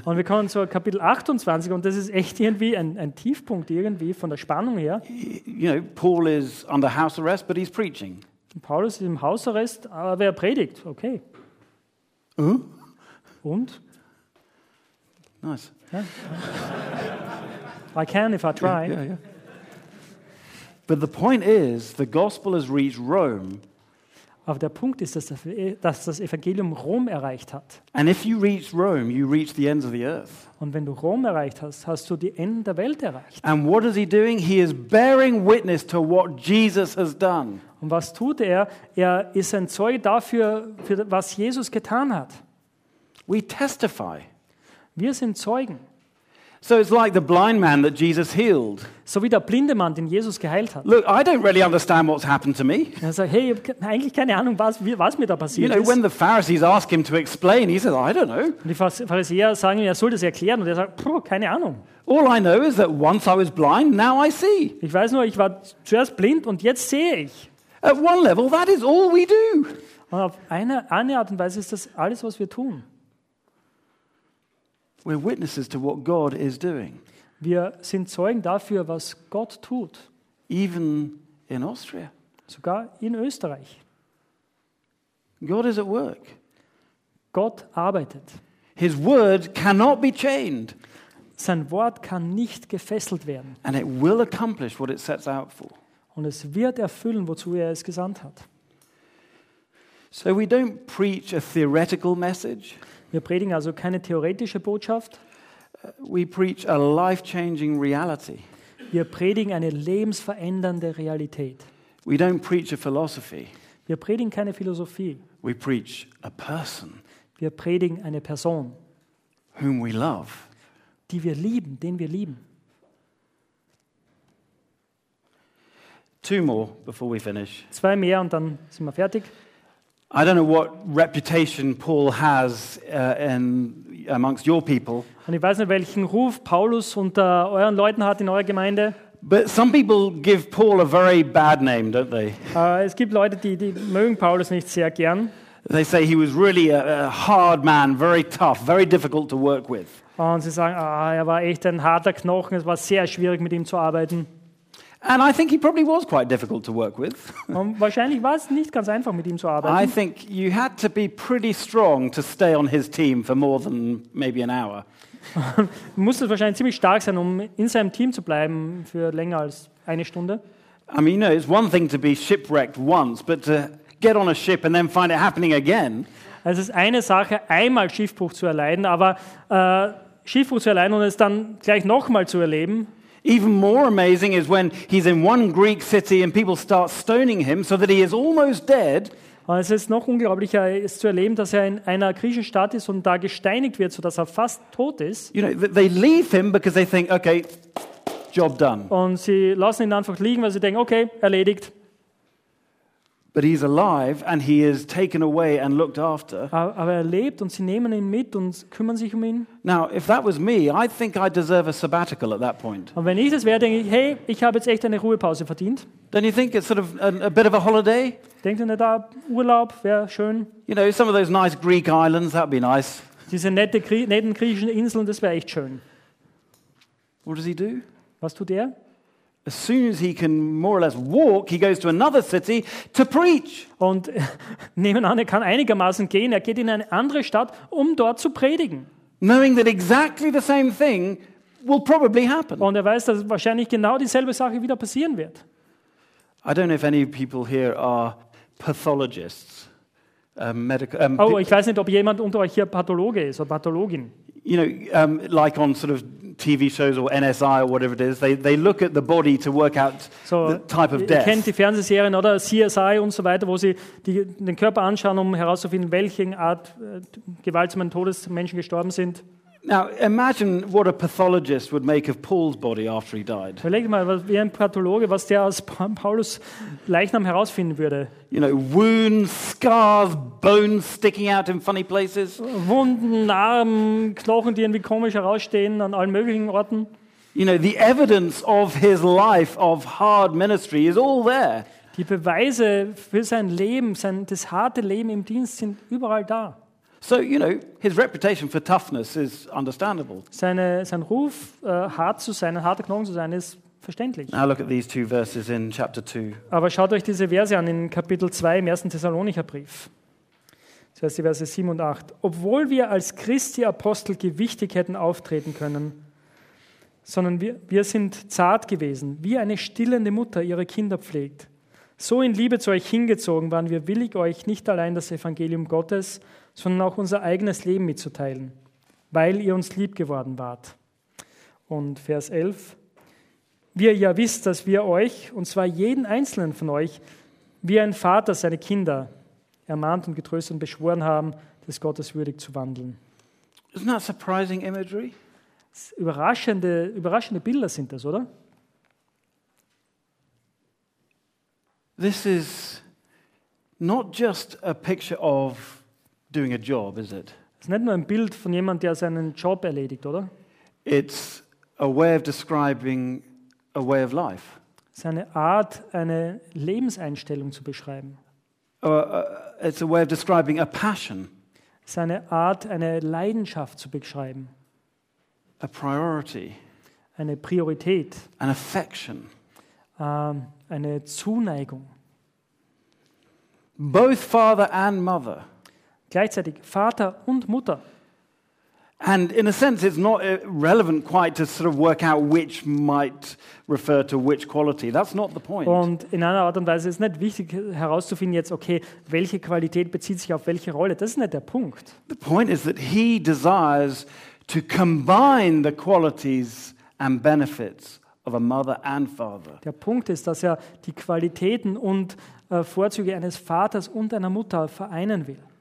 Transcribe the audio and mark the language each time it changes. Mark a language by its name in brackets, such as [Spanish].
[German] Und wir kommen zu Kapitel 28, und das ist echt irgendwie ein Tiefpunkt irgendwie von der Spannung her. [English] You know, Paul is under house arrest, but he's preaching. [German] Paulus ist im Hausarrest, aber er predigt. Okay. Und? [English] Nice. I can if I try. Yeah. But the point is, the gospel has reached Rome. [German] Aber der Punkt ist, dass das Evangelium Rom erreicht hat. [English] And if you reach Rome, you reach the ends of the earth. [German] Und wenn du Rom erreicht hast, hast du die Enden der Welt erreicht. [English] And what is he doing? He is bearing witness to what Jesus has done. [German] Und was tut er? Er ist ein Zeuge dafür, für was Jesus getan hat. [English] We testify. [German] Wir sind Zeugen. [English] So it's like the blind man that Jesus healed. [German] So wie der blinde Mann, den Jesus geheilt hat. [English] Look, I don't really understand what's happened to me. [German] Also, hey, ich habe eigentlich keine Ahnung, was mir da passiert ist. [English] You know, when the Pharisees ask him to explain, he says, I don't know. [German] Die Pharisäer sagen, er soll das erklären, und er sagt, keine Ahnung. [English] All I know is that once I was blind, now I see. [German] Ich weiß nur, ich war zuerst blind und jetzt sehe ich. [English] At one level, that is all we do. [German] Und auf eine Art und Weise ist das alles, was wir tun. [English] We're witnesses to what God is doing. [German] Wir sind Zeugen dafür, was Gott tut. [English] Even in Austria. [German] Sogar in Österreich. [English] God is at work. [German] Gott arbeitet. [English] His word cannot be chained. [German] Sein Wort kann nicht gefesselt werden. [English] And it will accomplish what it sets out for. [German] Und es wird erfüllen, wozu er es gesandt hat. [English] So we don't preach a theoretical message. [German] Wir predigen also keine theoretische Botschaft. [English] We preach a life-changing reality. [German] Wir predigen eine lebensverändernde Realität. [English] We don't preach a philosophy. [German] Wir predigen keine Philosophie. [English] We preach a person. [German] Wir predigen eine Person. [English] Whom we love. [German] Die wir lieben, den wir lieben. [English] Two more before we finish. [German] Zwei mehr und dann sind wir fertig. [English] I don't know what reputation Paul has in amongst your people. [German] Und ich weiß nicht, welchen Ruf Paulus unter euren Leuten hat in eurer Gemeinde. [English] But some people give Paul a very bad name, don't they? [German] Es gibt Leute, die mögen Paulus nicht sehr gern. [English] They say he was really a hard man, very tough, very difficult to work with. [German] Und sie sagen, er war echt ein harter Knochen, es war sehr schwierig mit ihm zu arbeiten. [English] And I think he probably was quite difficult to work with. [German] Wahrscheinlich war es nicht ganz einfach mit ihm zu arbeiten. [English] I think you had to be pretty strong to stay on his team for more than maybe an hour. [German] Musste wahrscheinlich ziemlich stark sein, um in seinem Team zu bleiben für länger als eine Stunde. [English] I mean, you know, it's one thing to be shipwrecked once, but to get on a ship and then find it happening again. [German] Es ist eine Sache, einmal Schiffbruch zu erleiden, aber Schiffbruch zu erleiden und es dann gleich nochmal zu erleben. [English] Even more amazing is when he's in one Greek city and people start stoning him so that he is almost dead. [German] Es ist noch unglaublicher, es zu erleben, dass er in einer griechischen Stadt ist und da gesteinigt wird, sodass er fast tot ist. [English] You know, they leave him because they think, okay, job done. [German] Und sie lassen ihn einfach liegen, weil sie denken, okay, erledigt. [English] But he's alive and he is taken away and looked after. [German] Aber er lebt und sie nehmen ihn mit und kümmern sich um ihn. [English] Now, if that was me, I think I deserve a sabbatical at that point. [German] Und wenn ich das wäre, denke ich, hey, ich habe jetzt echt eine Ruhepause verdient. [English] Don't you think it's sort of a bit of a holiday? [German] Denkt ihr nicht, da Urlaub wäre schön? [English] You know, some of those nice Greek islands, that'd be nice. [German] Diese netten griechischen Inseln, das wäre echt schön. [English] What does he do? [German] Was tut er? [English] As soon as he can more or less walk, he goes to another city to preach. [German] Und nehmen an, er kann einigermaßen gehen. Er geht in eine andere Stadt, um dort zu predigen. [English] Knowing that exactly the same thing will probably happen. [German] Und er weiß, dass wahrscheinlich genau dieselbe Sache wieder passieren wird. [English] I don't know if any people here are pathologists, medical. [German] Ich weiß nicht, ob jemand unter euch hier Pathologe ist oder Pathologin. [English] You know, like on sort of TV shows or NSI or whatever it is, they look at the body to work out so, the type of death. [German] Kennt die Fernsehserien oder CSI und so weiter, wo sie den Körper anschauen, um herauszufinden, welchen Art gewaltsamen Todes Menschen gestorben sind. [English] Now imagine what a pathologist would make of Paul's body after he died. [German] Überleg mal, wie ein Pathologe, was der aus Paulus Leichnam herausfinden würde. [English] You know, wounds, scars, bones sticking out in funny places. [German] Wunden, Narben, Knochen, die irgendwie komisch herausstehen an allen möglichen Orten. [English] You know, the evidence of his life of hard ministry is all there. [German] Die Beweise für sein Leben, das harte Leben im Dienst sind überall da. [English] So, you know, his reputation for toughness is understandable. [German] Sein Ruf, hart zu sein, ein harter Knochen zu sein, ist verständlich. [English] Now look at these two verses in chapter 2. [German] Aber schaut euch diese Verse an in Kapitel 2 im 1. Thessalonicher Brief. Das heißt die Verse 7 und 8. Obwohl wir als Christi Apostel gewichtig hätten auftreten können, sondern wir sind zart gewesen, wie eine stillende Mutter ihre Kinder pflegt. So in Liebe zu euch hingezogen waren wir willig, euch nicht allein das Evangelium Gottes, sondern auch unser eigenes Leben mitzuteilen, weil ihr uns lieb geworden wart. Und Vers 11. Wie ihr ja wisst, dass wir euch, und zwar jeden Einzelnen von euch, wie ein Vater seine Kinder ermahnt und getröstet und beschworen haben, des Gottes würdig zu wandeln. [English] Isn't that surprising imagery? [German] überraschende Bilder sind das, oder? [English] This is not just a picture of doing a job, is it? [German] Es ist nicht nur ein Bild von jemand, der seinen Job erledigt, oder? [English] It's a way of describing a way of life. [German] Seine Art, eine Lebenseinstellung zu beschreiben. [English] It's a way of describing a passion. [German] Seine Art, eine Leidenschaft zu beschreiben. [English] A priority. [German] Eine Priorität. [English] An affection. [German] Eine Zuneigung. [English] Both father and mother. [German] Gleichzeitig Vater und Mutter. [English] And in a sense, it's not relevant quite to sort of work out which might refer to which quality. That's not the point. [German] Und in einer Art und Weise ist es nicht wichtig herauszufinden jetzt, okay, welche Qualität bezieht sich auf welche Rolle. Das ist nicht der Punkt. [English] The point is that he desires to combine the qualities and benefits of a mother and father. [German] Der Punkt ist, dass er die Qualitäten und Vorzüge eines Vaters und einer Mutter vereinen will.